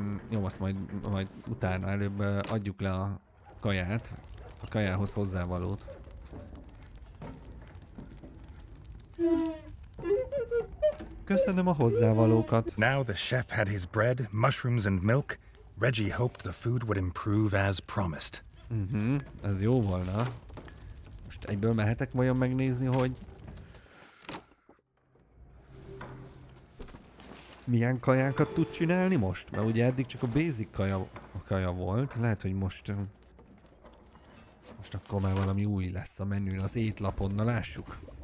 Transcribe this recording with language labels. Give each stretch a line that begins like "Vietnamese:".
Hungarian: Jó, azt majd utána előbb adjuk le a kaját. A kajához hozzávalót. Köszönöm a hozzávalókat.
English: Now the chef had his bread, mushrooms and milk. Reggie hoped the food would improve as promised.
Hungarian: Ez jó volna. Most egyből mehetek vajon megnézni, hogy... milyen kajákat tud csinálni most? Mert ugye eddig csak a basic kaja volt. Lehet, hogy most akkor már valami új lesz a menün az étlapon. Na, lássuk.